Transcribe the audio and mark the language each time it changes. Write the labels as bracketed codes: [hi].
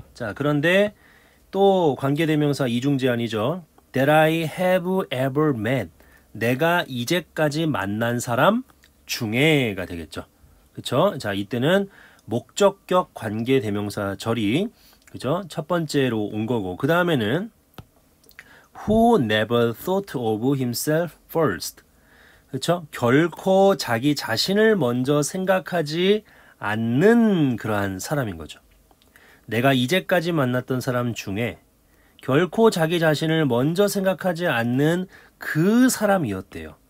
[ko] 자, 그런데 또 관계대명사 이중제한이죠. [en] That I have ever met. [ko] 내가 이제까지 만난 사람 중에가 되겠죠. 그쵸? 자, 이때는 목적격 관계대명사 절이, 그죠? 첫 번째로 온 거고. [en] 그 다음에는 Who never thought of himself first. [ko] 그쵸? 결코 자기 자신을 먼저 생각하지 않는 그러한 사람인 거죠. 내가 이제까지 만났던 사람 중에 결코 자기 자신을 먼저 생각하지 않는 그 사람이었대요.